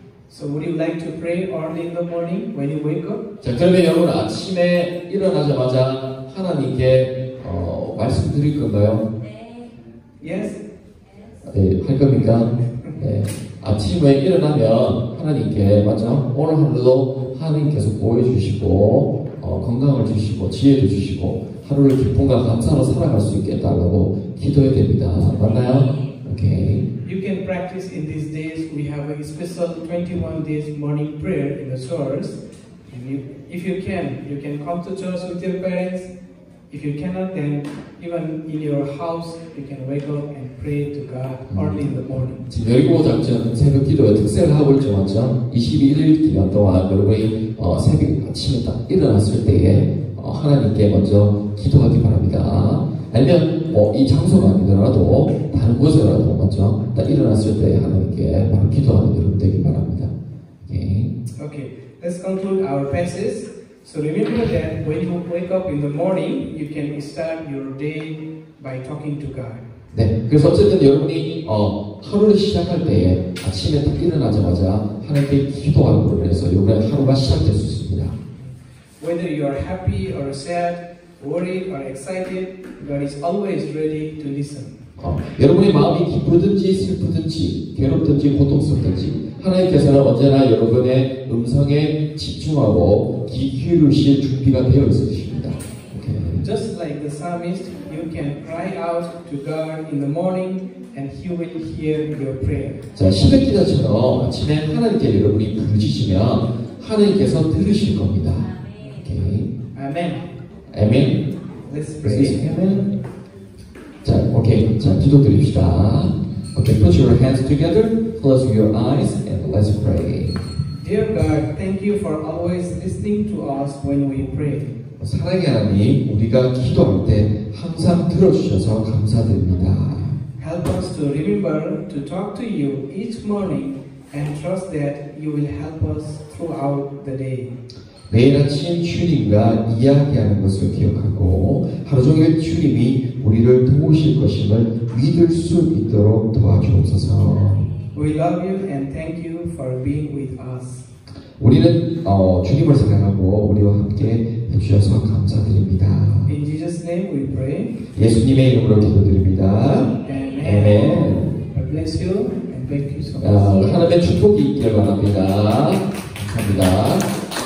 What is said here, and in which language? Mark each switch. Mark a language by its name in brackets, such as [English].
[English] So would you like to pray early in the morning when you wake up? [Korean] 자, 그러면 여러분 아침에 일어나자마자 하나님께 말씀 드릴 건가요? 네. [English] Yes. [Korean] 네, 할 겁니까? 네. 아침에 일어나면 하나님께 맞죠? 오늘 하루도 하나님께서 보여주시고 건강을 주시고 지혜를 주시고 하루를 기쁨과 감사로 살아갈 수 있게 해달라고 기도해야 됩니다. 맞나요? 오케이. [English] You can practice in these days. We have a special 21 days morning prayer in the church. And if you can, you can come to church with your parents. If you cannot, then even in your house, you can wake up and pray to God early in the morning. [Korean] 지금 열고 작전 새벽 기도의 특색을 하고 있죠, 맞죠? 21일 기간 동안 여러분이 새벽 아침에 딱 일어났을 때에 하나님께 먼저 기도하기 바랍니다. 아니면 뭐 이 장소가 아니더라도 다른 곳에라도 맞죠? 딱 일어났을 때 하나님께 바로 기도하는 여러분 되기 바랍니다. [English] 오케이. Okay. Okay. Let's conclude our passage. So remember that when you wake up in the morning, you can start your day by talking to God. [Korean] 네. 그래서 어쨌든 여러분이 하루를 시작할 때에 아침에 딱 일어나자마자 하나님께 기도하는 걸로 해서 여러분의 하루가 시작될 수 있습니다. [English] Whether you are happy or sad, worried or excited, God is always ready to listen. [Korean] 여러분의 마음이 기쁘든지 슬프든지 괴롭든지 고통스럽든지 하나님께서는 언제나 여러분의 음성에 집중하고 귀 기울이실 준비가 되어 있으십니다. [English] Okay. Just like the psalmist, you can cry out to God in the morning and He will hear your prayer. [Korean] 자, 시편 기자처럼 아침에 하나님께 여러분이 부르짖으시면 하나님께서 들으실 겁니다. 아멘. 아멘. [English] Let's pray. 아멘. [Korean] 자, 오케이. 자, 기도 드립시다. [English] Okay, put your hands together, close your eyes, and let's pray. Dear God, thank you for always listening to us when we pray. [Korean] 사랑의 하나님, 우리가 기도할 때 항상 들어주셔서 감사드립니다. [English] Help us to remember to talk to you each morning and trust that you will help us throughout the day. [Korean] 매일 아침 주님과 이야기하는 것을 기억하고 하루 종일 주님이 우리를 도우실 것임을 믿을 수 있도록 도와주옵소서. [English] We love you and thank you for being with us. [Korean] 우리는 주님을 사랑하고 우리와 함께 해주셔서 감사드립니다. [English] In Jesus' name we pray. [Korean] 예수님의 이름으로 기도드립니다. [English] Amen. God bless you and thank you so much. [Korean] 하나님의 축복이 있기를 바랍니다. 감사합니다.